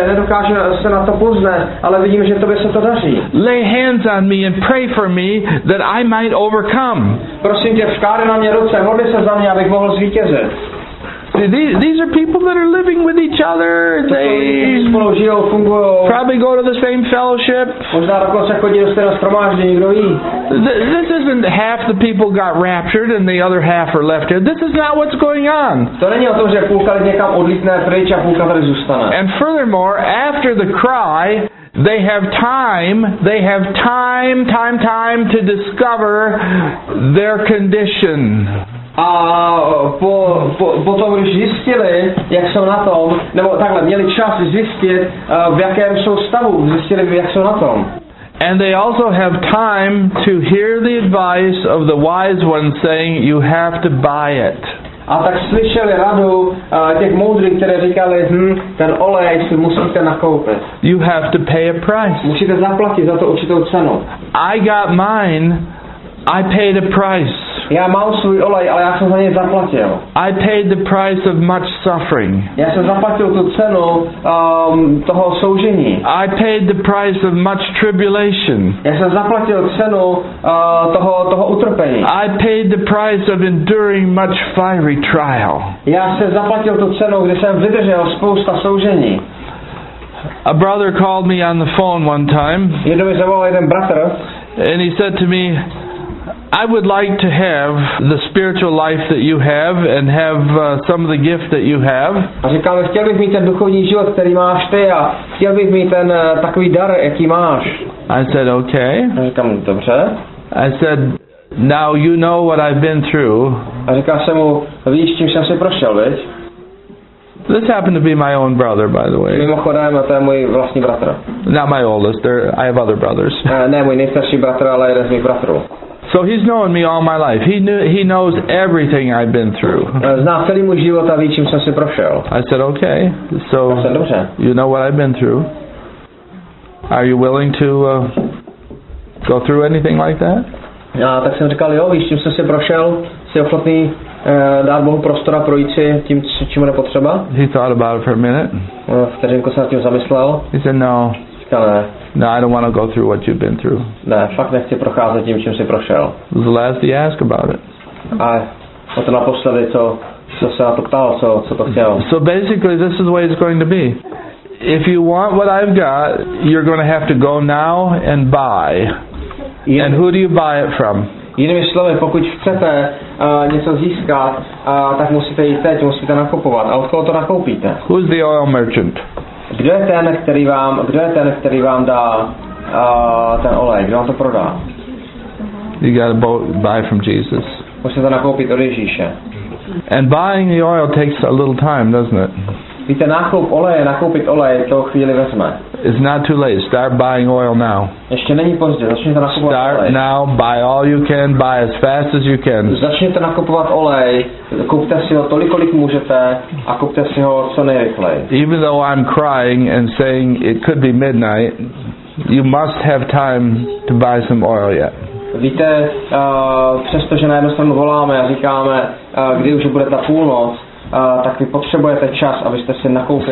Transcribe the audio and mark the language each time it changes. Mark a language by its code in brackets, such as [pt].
[cs] Nedokážu se na to poznat, ale vidím, že tobě se to daří. [en] Lay hands on me and pray for me that I might overcome. [cs] Prosím tě, vkládej na mě ruce. Modli se za mě, abych mohl zvítězit. [en] These are people that are living with each other. They probably go to the same fellowship. This isn't half the people got raptured and the other half are left here. This is not what's going on. And furthermore, after the cry, they have time. They have time to discover their condition. [cs] A potom, když zjistili, jak jsou na tom, nebo takhle, měli čas zjistit, v jakém jsou stavu, zjistili, jak jsou na tom. [en] And they also have time to hear the advice of the wise one saying, you have to buy it. [cs] A tak slyšeli radu těch moudrých, které říkali, ten olej si musíte nakoupit. [en] You have to pay a price. [cs] Musíte zaplatit za to určitou cenu. [en] I got mine, I paid a price. [cs] Já mám svůj olej, ale já jsem za něj zaplatil. [en] I paid the price of much suffering. [cs] Já jsem zaplatil tu cenu toho soužení. [en] I paid the price of much tribulation. [cs] Já jsem zaplatil cenu toho utrpení. [en] I paid the price of enduring much fiery trial. [cs] Já jsem zaplatil tu cenu, kdy jsem vydržel spousta soužení. [en] A brother called me on the phone one time. [cs] Jednou mi zavolal jeden bratr. [en] And he said to me, I would like to have the spiritual life that you have and have some of the gift that you have. [cs] A říkám, chtěl bych mít ten duchovní život, který máš ty, a chtěl bych mít ten takový dar, jaký máš. [en] I said, okay. [cs] A říkám, dobře. [en] I said, now you know what I've been through. [cs] A říkám se mu, víš, čím jsem si prošel, viď? [en] This happened to be my own brother, by the way. [cs] Mimochodem, to je můj vlastní bratr. [en] Not my oldest, I have other brothers. [cs] Ne, můj nejstarší bratr, ale jeden z mých bratrů. [en] So he's known me all my life. He knows everything I've been through. [cs] Zná celý můj život a ví, čím jsem si prošel. [en] I said, okay. So you know what I've been through. Are you willing to go through anything like that? [cs] No, tak jsem říkal, jo, víš, čím jsem si prošel, jsi ochotný dát Bohu prostor a projít si tím, čím je potřeba? [en] He thought about it for a minute. [cs] Vteřinku se nad tím zamyslel. [en] He said, no. No, I don't want to go through what you've been through. [cs] Ne, fakt nechci procházet tím, čím jsi prošel. [en] The last you ask about it. [cs] A o to naposledy, co se na to ptal, co to chtěl. [en] So basically, this is the way it's going to be. If you want what I've got, you're going to have to go now and buy. And who do you buy it from? [cs] Jinými slovy, pokud chcete něco získat, tak musíte jít teď, musíte nakupovat. A od koho to nakoupíte? Who's the oil merchant? Kdo je ten, který vám dá ten olej? Kdo vám to prodá? [en] You gotta buy from Jesus. [cs] Musíte nakoupit od Ježíše. [en] And buying the oil takes a little time, doesn't it? [cs] Víte, nakoupit oleje, to chvíli vezme. [en] It's not too late. Start buying oil now. [cs] Ještě není pozdě. Začněte nakupovat oleje. [en] Start now. Buy all you can. Buy as fast as you can. [cs] Začněte nakupovat olej. Kupte si ho tolik, kolik můžete, a kupte si ho co nejrychleji. [en] Even though I'm crying and saying it could be midnight, you must have time to buy some oil yet. [cs] Víte, přestože na jednu stranu voláme a říkáme, kdy už bude ta půlnoc, tak vy potřebujete čas, abyste si nakoupili.